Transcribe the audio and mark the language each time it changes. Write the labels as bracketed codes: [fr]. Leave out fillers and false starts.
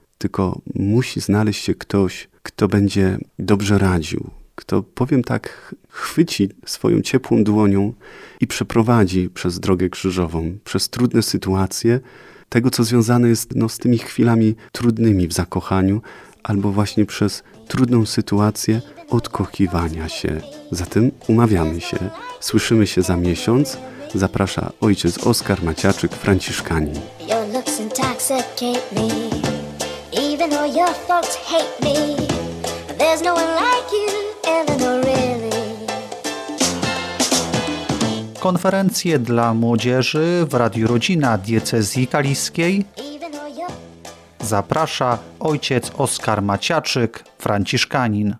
[pl] Tylko musi znaleźć się ktoś, kto będzie dobrze radził, kto, powiem tak, chwyci swoją ciepłą dłonią i przeprowadzi przez drogę krzyżową, przez trudne sytuacje, tego co związane jest no, z tymi chwilami trudnymi w zakochaniu, albo właśnie przez trudną sytuację odkochiwania się. Zatem umawiamy się, słyszymy się za miesiąc. Zaprasza ojciec Oskar Maciaczyk, franciszkanin. [en] Even though your folks hate me, there's no one like you, Eleanor, really. [pl] Konferencje dla młodzieży w Radiu Rodzina Diecezji Kaliskiej zaprasza ojciec Oskar Maciaczyk, franciszkanin.